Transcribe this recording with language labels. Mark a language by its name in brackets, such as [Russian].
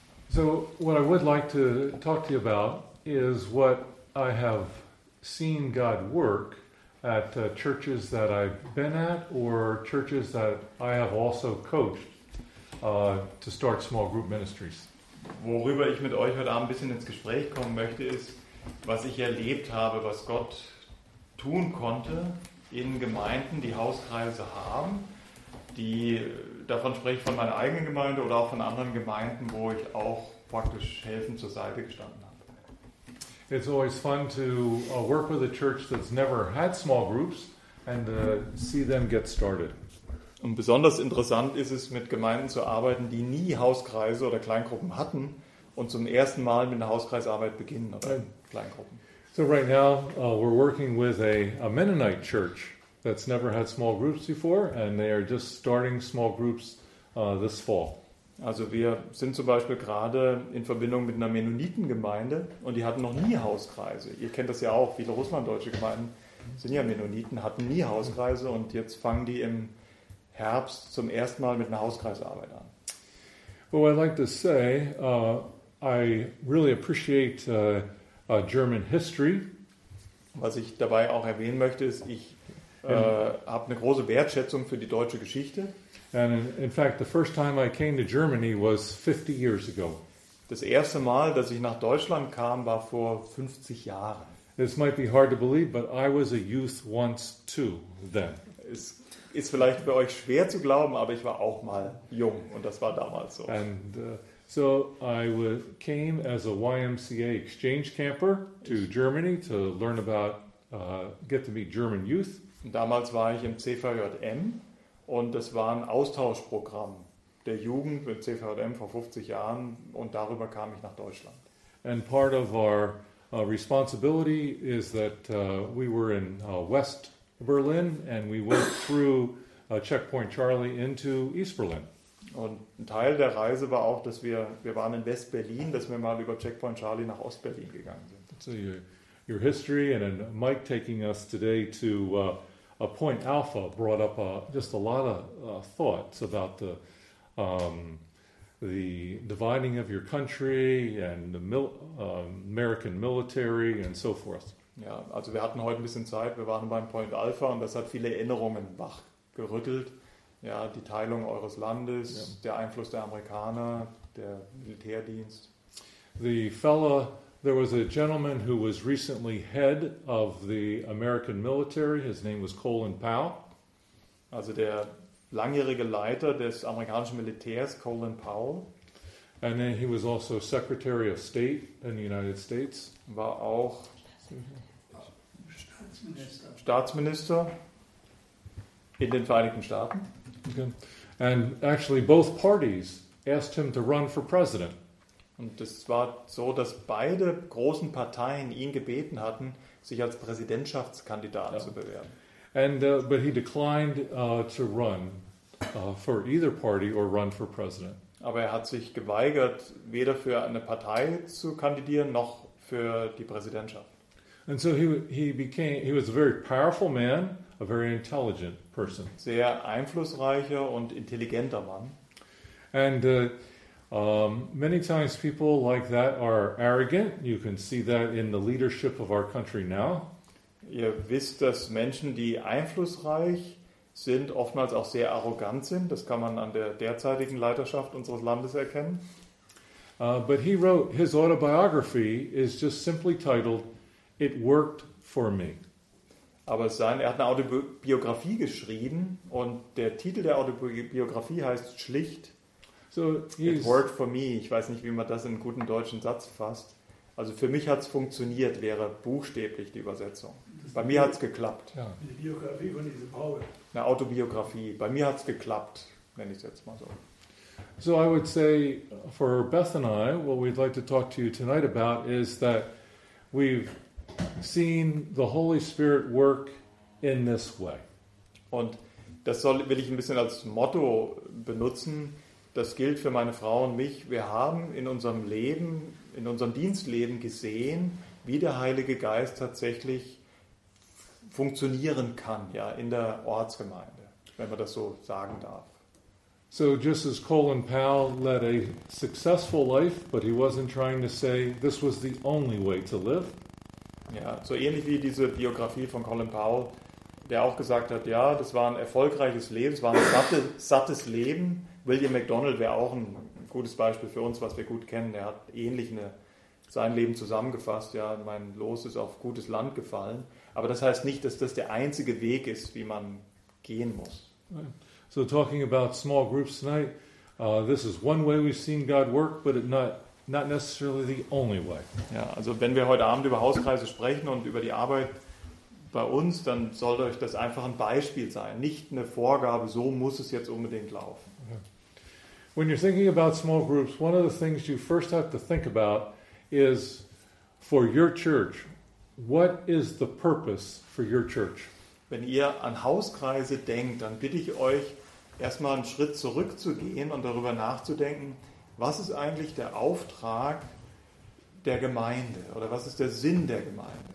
[English] So what I would like to talk to you about is what I have seen God work at churches that I've been at or churches that I have also coached to start small group ministries. [German] Worüber ich mit euch heute Abend ein bisschen ins Gespräch kommen möchte, ist, was ich erlebt habe, was Gott tun konnte in Gemeinden, die Hauskreise haben, die, davon spreche ich von meiner eigenen Gemeinde oder auch von anderen Gemeinden, wo ich auch praktisch helfend zur Seite gestanden habe. [English] It's always fun to work with a church that's never had small groups and see them get started. [German] Und besonders interessant ist es, mit Gemeinden zu arbeiten, die nie Hauskreise oder Kleingruppen hatten und zum ersten Mal mit einer Hauskreisarbeit beginnen oder Kleingruppen. [English] So right now we're working with a Mennonite church that's never had small groups before and they are just starting small groups this fall. [German] Also wir sind zum Beispiel gerade in Verbindung mit einer Mennonitengemeinde und die hatten noch nie Hauskreise. Ihr kennt das ja auch, viele russlanddeutsche Gemeinden sind ja Mennoniten, hatten nie Hauskreise und jetzt fangen die im Herbst zum ersten Mal mit einer Hauskreisarbeit an. [English] Well, I'd like to say, I really appreciate German history. [German] Was ich dabei auch erwähnen möchte, ist, ich habe eine große Wertschätzung für die deutsche Geschichte. [English] And in fact, the first time I came to Germany was 50 years ago. [German] Das erste Mal, dass ich nach Deutschland kam, war vor 50 Jahren. [English] This might be hard to believe, but I was a youth once too then. [German] Es ist vielleicht für euch schwer zu glauben, aber ich war auch mal jung und das war damals so. [English] And so I came as a YMCA exchange camper to Germany to learn about, get to meet German youth. [German] Und damals war ich im CVJM. Und das war ein Austauschprogramm der Jugend mit CVJM vor 50 Jahren und darüber kam ich nach Deutschland. [English] And part of our responsibility is that we were in West Berlin and we went through Checkpoint Charlie into East Berlin. [German] Und ein Teil der Reise war auch, dass wir waren in West-Berlin, dass wir mal über Checkpoint Charlie nach Ost-Berlin gegangen sind. [English] So your history and then Mike taking us today to a point Alpha brought up just a lot of thoughts about the dividing of your country and the American military and so forth. [German] Ja, also wir hatten heute ein bisschen Zeit. Wir waren beim Point Alpha und das hat viele Erinnerungen wachgerüttelt. Ja, die Teilung eures Landes, ja. Der Einfluss der Amerikaner, der Militärdienst. [English] The fella, there was a gentleman who was recently head of the American military. His name was Colin Powell. [German] Also der langjährige Leiter des amerikanischen Militärs, Colin Powell. [English] And then he was also Secretary of State in the United States. [German] War auch Staatsminister in den Vereinigten Staaten. Okay. [English] And actually both parties asked him to run for president. [German] Und es war so, dass beide großen Parteien ihn gebeten hatten, sich als Präsidentschaftskandidat zu bewerben. [English] And but he declined to run for either party or run for president. [German] Aber er hat sich geweigert, weder für eine Partei zu kandidieren noch für die Präsidentschaft. [English] And so he was a very powerful man, a very intelligent person. [German] Sehr einflussreicher und intelligenter Mann. [English] And many times people like that are arrogant. You can see that in the leadership of our country now. [German] Ihr wisst, dass Menschen, die einflussreich sind, oftmals auch sehr arrogant sind. Das kann man an der derzeitigen Leiterschaft unseres Landes erkennen. [English] But he wrote, his autobiography is just simply titled, It Worked For Me. [German] Aber er hat eine Autobiografie geschrieben und der Titel der Autobiografie heißt schlicht, so [English] it worked for me. [German] Ich weiß nicht, wie man das in einen guten deutschen Satz fasst. Also für mich hat es funktioniert, wäre buchstäblich die Übersetzung. Bei mir hat es geklappt. Ja. Eine Biografie von diesem Paul. Eine Autobiografie. Bei mir hat es geklappt, nenne ich es jetzt mal so. [English] So I would say for Beth and I, what we'd like to talk to you tonight about is that we've seen the Holy Spirit work in this way. [German] Und das will ich ein bisschen als Motto benutzen. Das gilt für meine Frau und mich. Wir haben in unserem Leben, in unserem Dienstleben gesehen, wie der Heilige Geist tatsächlich funktionieren kann, ja, in der Ortsgemeinde, wenn man das so sagen darf. [English] So just as Colin Powell led a successful life, but he wasn't trying to say this was the only way to live. [German] Ja, so ähnlich wie diese Biografie von Colin Powell, der auch gesagt hat, ja, das war ein erfolgreiches Leben, es war ein sattes Leben. William McDonald wäre auch ein gutes Beispiel für uns, was wir gut kennen. Er hat ähnlich sein Leben zusammengefasst. Ja, mein Los ist auf gutes Land gefallen. Aber das heißt nicht, dass das der einzige Weg ist, wie man gehen muss. [English] So talking about small groups tonight, this is one way we've seen God work, but it not necessarily the only way. [German] Ja, also wenn wir heute Abend über Hauskreise sprechen und über die Arbeit bei uns, dann sollte euch das einfach ein Beispiel sein, nicht eine Vorgabe, so muss es jetzt unbedingt laufen. [English] When you're thinking about small groups, one of the things you first have to think about is for your church, what is the purpose for your church? [German] Wenn ihr an Hauskreise denkt, dann bitte ich euch, erstmal einen Schritt zurückzugehen und darüber nachzudenken, was ist eigentlich der Auftrag der Gemeinde oder was ist der Sinn der Gemeinde?